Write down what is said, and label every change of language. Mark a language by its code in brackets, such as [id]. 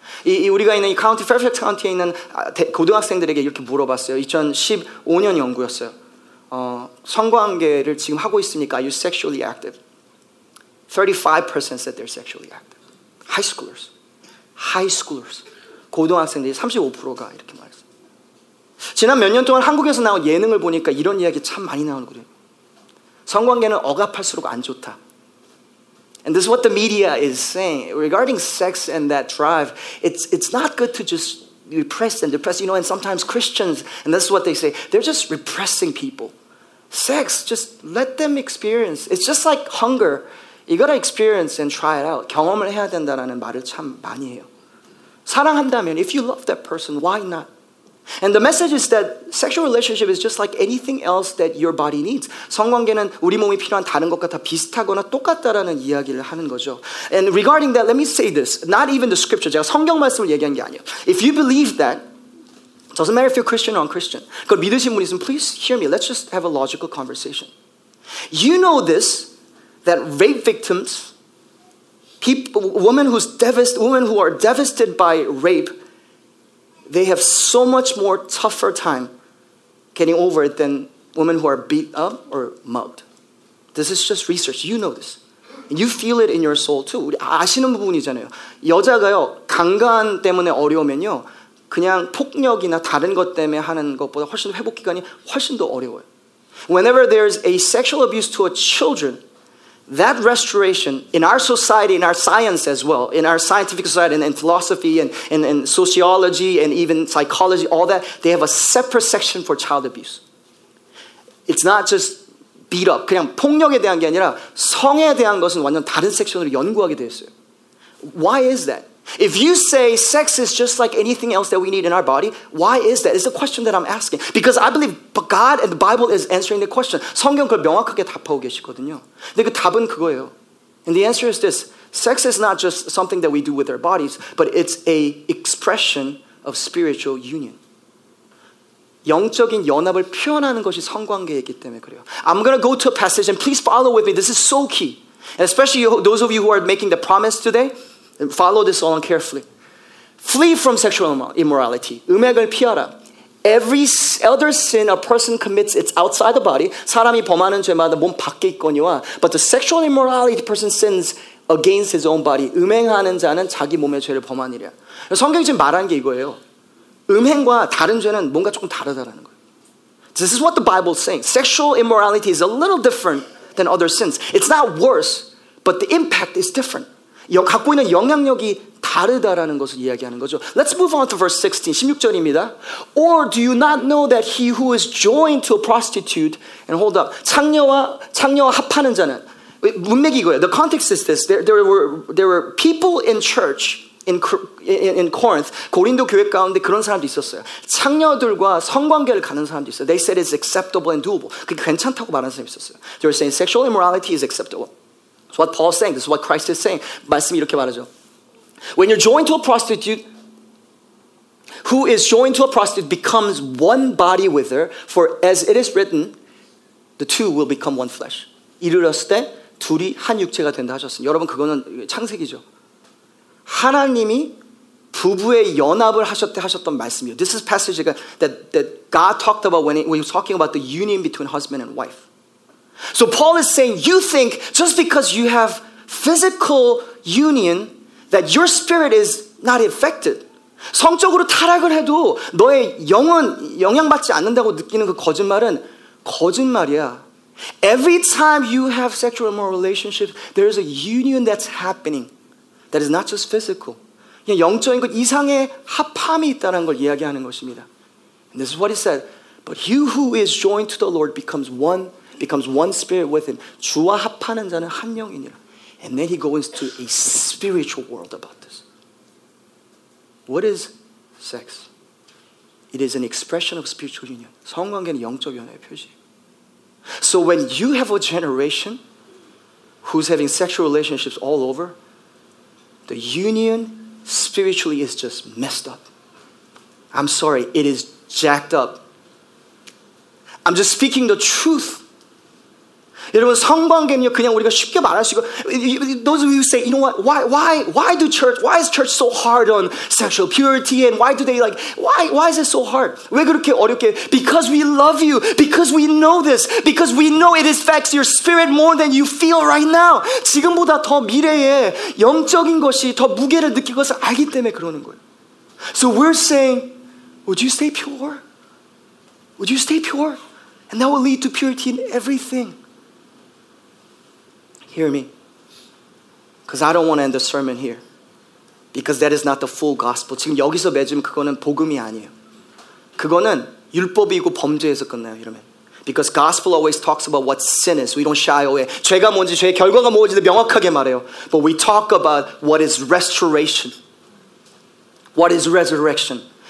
[ko] 이 우리가 있는 이 카운티 페르펙트 카운티에 있는 고등학생들에게 이렇게 물어봤어요. 2015년 연구였어요. 성관계를 지금 하고 있습니까? [en] Are you sexually active? 35% said they're sexually active. High schoolers. High schoolers. [ko] 고등학생들이 35%가 이렇게 말했어요. 지난 몇 년 동안 한국에서 나온 예능을 보니까 이런 이야기 참 많이 나오거든요. 성관계는 억압할수록 안 좋다. [en] And this is what the media is saying regarding sex and that drive. It's not good to just repress and depress, you know, and sometimes Christians, and this is what they say, they're just repressing people. Sex, just let them experience. It's just like hunger. You gotta experience and try it out. [ko] 경험을 해야 된다라는 말을 참 많이 해요. 사랑한다면, [en] if you love that person, why not? And the message is that sexual relationship is just like anything else that your body needs. [ko] 성관계는 우리 몸이 필요한 다른 것과 다 비슷하거나 똑같다라는 이야기를 하는 거죠. [en] And regarding that, let me say this. Not even the scripture. [ko] 제가 성경 말씀을 얘기한 게 아니에요. [en] If you believe that, doesn't matter if you're Christian or unchristian. [ko] 그걸 믿으신 분이 있으면 [en] please hear me. Let's just have a logical conversation. You know this, that rape victims, women who are devastated by rape, they have so much more tougher time getting over it than women who are beat up or mugged. This is just research. You know this. And you feel it in your soul too. [ko] 우리 아시는 부분이잖아요. 여자가요, 강간 때문에 어려우면요, 그냥 폭력이나 다른 것 때문에 하는 것보다 훨씬 회복 기간이 훨씬 더 어려워요. [en] Whenever there's a sexual abuse to a children, that restoration in our society, in our science as well, in our scientific society and in philosophy and sociology and even psychology, all that, they have a separate section for child abuse. It's not just beat up. [ko] 그냥 폭력에 대한 게 아니라 성에 대한 것은 완전 다른 섹션으로 연구하게 되었어요. [en] Why is that? If you say sex is just like anything else that we need in our body, why is that? It's a question that I'm asking. Because I believe God and the Bible is answering the question. [ko] 성경 그걸 명확하게 답하고 계시거든요. 근데 그 답은 그거예요. [en] And the answer is this. Sex is not just something that we do with our bodies, but it's a expression of spiritual union. [ko] 영적인 연합을 표현하는 것이 성관계이기 때문에 그래요. [en] I'm going to go to a passage and please follow with me. This is so key. And especially those of you who are making the promise today, follow this along carefully. Flee from sexual immorality. [ko] 음행을 피하라. [en] Every other sin a person commits, it's outside the body. [ko] 사람이 범하는 죄마다 몸 밖에 있거니와. [en] But the sexual immorality person sins against his own body. [ko] 음행하는 자는 자기 몸의 죄를 범하니라. 성경이 지금 말하는 게 이거예요. 음행과 다른 죄는 뭔가 조금 다르다라는 거예요. [en] This is what the Bible is saying. Sexual immorality is a little different than other sins. It's not worse, but the impact is different. [ko] 갖고 있는 영향력이 다르다라는 것을 이야기하는 거죠. [en] Let's move on to verse 16, [ko] 16절입니다. [en] Or do you not know that he who is joined to a prostitute, and hold up, [ko] 창녀와 합하는 자는, 문맥이 이거예요. [en] The context is this. There were people in church in Corinth, [ko] 고린도 교회 가운데 그런 사람도 있었어요. 창녀들과 성관계를 가는 사람도 있어요. [en] They said it's acceptable and doable. [ko] 그게 괜찮다고 말하는 사람이 있었어요. [en] They were saying sexual immorality is acceptable. So what Paul is saying, this is what Christ is saying. [ko] 말씀이 이렇게 말하죠. [en] When you're joined to a prostitute, who is joined to a prostitute becomes one body with her, for as it is written, the two will become one flesh. [ko] 이르렀을 때 둘이 한 육체가 된다 하셨습니다. 여러분 그거는 창세기죠. 하나님이 부부의 연합을 하셨던 말씀이요. [en] This is a passage that God talked about when he was talking about the union between husband and wife. So Paul is saying, you think just because you have physical union that your spirit is not affected. [ko] 성적으로 타락을 해도 너의 영혼 영향받지 않는다고 느끼는 그 거짓말은 거짓말이야. [en] Every time you have sexual or immoral relationships, there is a union that's happening that is not just physical. [ko] 그냥 영적인 것 이상의 합함이 있다는 걸 이야기하는 것입니다. [en] And this is what he said. But he who is joined to the Lord becomes one spirit with him. [ko] 주와 합하는 자는 한 영이니라. [en] And then he goes to a spiritual world about this. What is sex? It is an expression of spiritual union. [ko] 성관계는 영적 연애의 표시. [en] So when you have a generation who's having sexual relationships all over, the union spiritually is just messed up. I'm sorry, it is jacked up. I'm just speaking the truth. [ko] 여러분, 성관계는요, 그냥 우리가 쉽게 말할 수 있고, [en] those of you who say, you know what, why is church so hard on sexual purity, and why do they like, why is it so hard? [ko] 왜 그렇게 어렵게? [en] Because we love you, because we know this, because we know it affects your spirit more than you feel right now. [ko] 지금보다 더 미래에 영적인 것이 더 무게를 느낄 것을 알기 때문에 그러는 거예요. [en] So we're saying, would you stay pure? Would you stay pure? And that will lead to purity in everything. Hear me, because I don't want to end the sermon here, because that is not the full gospel. [ko] 지금 여기서 맺으면 그거는 복음이 아니에요. 그거는 율법이고 범죄에서 끝나요, 이러면. [en] Because gospel always talks about what sin is. We don't shy away. [ko] 죄가 뭔지, 죄의 결과가 뭔지 명확하게 말해요. [en] But we talk about what is restoration. What is resurrection?